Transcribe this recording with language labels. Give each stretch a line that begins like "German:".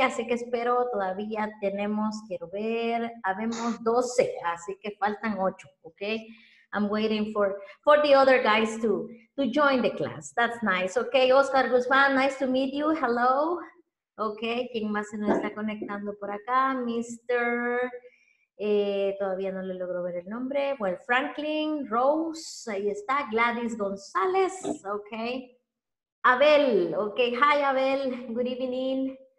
Spanish: Así que espero todavía tenemos, quiero ver, habemos 12, así que faltan 8, okay?
English: I'm waiting for the other guys to join the class. That's nice. Okay, Oscar Guzmán, nice to meet you. Hello.
Spanish: Ok, ¿quién más se nos está conectando por acá? Mr. Todavía no le logro ver el nombre.
English: Well, Franklin, Rose,
Spanish: ahí está.
English: Gladys González, ok. Abel, ok. Hi, Abel. Good evening.